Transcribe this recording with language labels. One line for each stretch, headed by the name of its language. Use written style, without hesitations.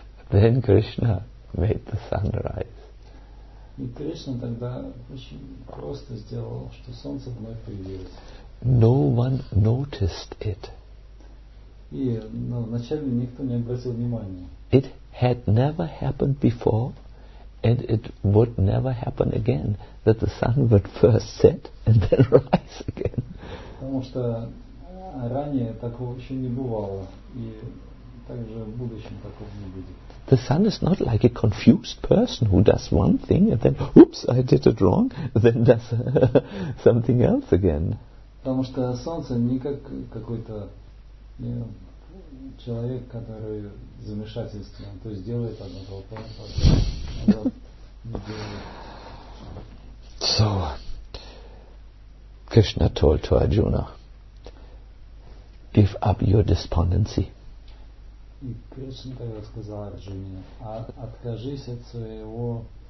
English: Then Krishna made the sun rise.
Russian: И Кришна тогда очень просто сделал, что солнце вновь появилось.
English: No one noticed it.
Russian: И вначале никто не обратил внимания.
English: It had never happened before. And it would never happen again that the sun would first set and then rise again.
Russian: Потому что ранее такого еще не бывало, и также в будущем такого не будет.
English: The sun is not like a confused person who does one thing and then, oops, I did it wrong, then does something else again.
Russian: Потому что солнце не как какой-то человек, который в замешательстве, он то сделает одно, то потом.
English: So Krishna told to Arjuna, give up your despondency.
Russian: И Кришна тогда сказал Арджуне, откажись от своего